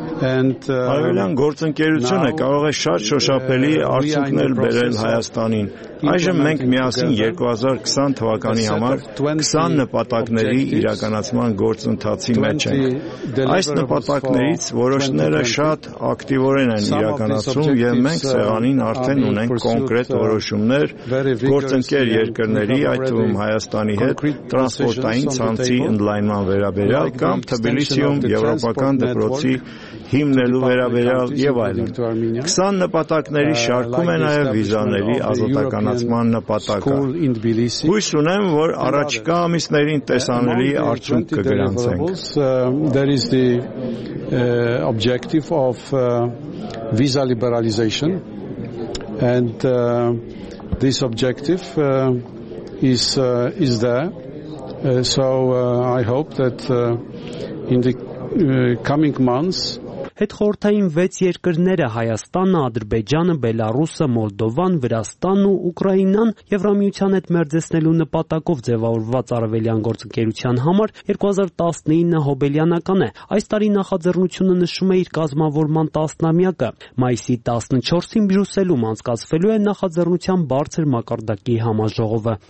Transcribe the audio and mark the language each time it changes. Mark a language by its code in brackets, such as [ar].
[hy] Արևելյան գործընկերությունը կարող է շատ շոշափելի արդյունքներ բերել Հայաստանին։ Այժմ մենք միասին 2020 թվականի համար 20 նպատակների իրականացման գործընթացի մեջ ենք։ Այս նպատակներից որոշները շատ ակտիվորեն են իրականացվում, և մենք սեղանին արդեն ունենք կոնկրետ որոշումներ գործընկեր երկրների, այդ թվում Հայաստանի հետ, տրանսպորտային ցանցի ընդլայնման վերաբերյալ կամ Թբիլիսիում եվրոպական դպրոցի հիմնելու վերաբերյալ եւ այլն։ 20 նպատակների շարքում է նաեւ վիզաների ազատականացման նպատակը։ Հույս ունեմ, որ առաջիկա ամիսներին տեսանելի արդյունք կգրանցենք։ [en] There is the objective of visa liberalization, and this objective is there. So I hope that in the coming months [hy] հետ խորհրդային 6 երկրները Հայաստանը, Ադրբեջանը, Բելարուսը, Մոլդովան, Վրաստանն ու Ուկրաինան Եվրամիության հետ մերձեցնելու նպատակով ձևավորված արևելյան գործընկերության համար 2019-ը հոբելյանական է։ Այս տարի նախաձեռնությունը նշում է իր կազմավորման տասնամյակը։ Մայիսի 14-ին Բրյուսելում անցկացվելու է նախաձեռնության բարձր մակարդակի համաժողովը։